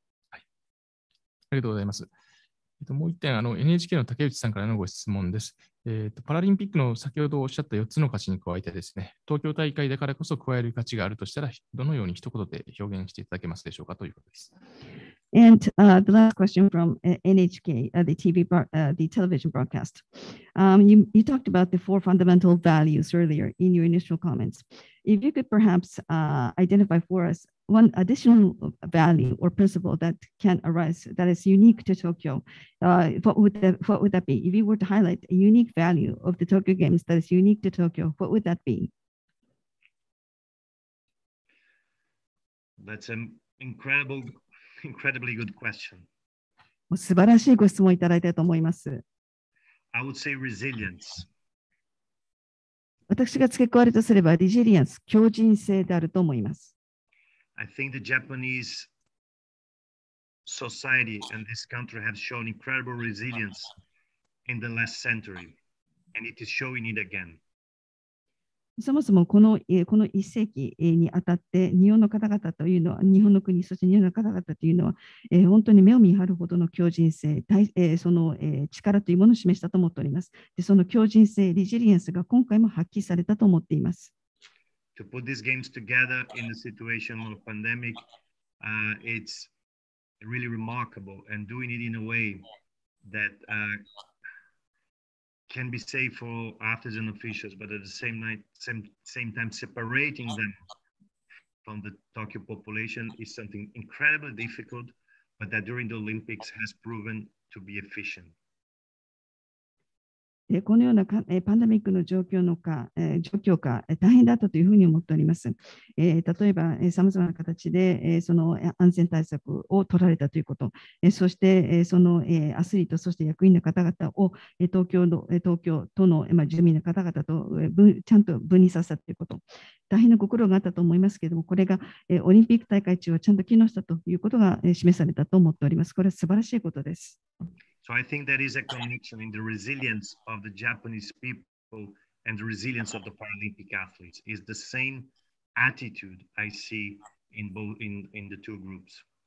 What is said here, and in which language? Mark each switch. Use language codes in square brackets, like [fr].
[ja] はい、ありがとうございます。もう1点、NHK の竹内さんからのご質問です。パラリンピックの先ほどおっしゃった4つの価値に加えてですね、東京大会だからこそ加える価値があるとしたら、どのように一言で表現していただけますでしょうかということです。 [en] And、the last question from NHK,、the TV bar, the television broadcast.、you talked about the four fundamental values earlier in your initial comments. If you could perhaps、identify for us one additional value or principle that can arise that is unique to Tokyo,、what would that be? If you were to highlight a unique value of the Tokyo Games that is unique to Tokyo, what would that be? That's an incredibly good question. [ja] 素晴らしいご質問いただいたと思います。 [en] I would say resilience. [ja] 私が付け加えるとすれば、resilience、強靭性であると思います。 [en] I think the Japanese society and this country have shown incredible resilience in the last century, and it is showing it again. [ja] そもそもこの一世紀にあたって日本の方々というのは日本の国そして日本の方々というのは本当に目を見張るほどの強靭性その力というものを示したと思っております。でその強靭性リジリエンスが今回も発揮されたと思っています。 [en] To put these games together in the situation of pandemic、it's really remarkable and doing it in a way thatcan be safe for athletes and officials, but at the same time separating them from the Tokyo population is something incredibly difficult, but that during the Olympics has proven to be efficient. [ja] このようなパンデミックの状況か大変だったというふうに思っております。例えば、さまざまな形でその安全対策を取られたということ、そしてそのアスリート、そして役員の方々を東京都の住民の方々とちゃんと分離させたということ、大変なご苦労があったと思いますけれども、これがオリンピック大会中はちゃんと機能したということが示されたと思っております。これは素晴らしいことです。 [en] So I think that is a connection in the resilience of the Japanese people and the resilience of the Paralympic athletes is the same attitude I see in the two groups.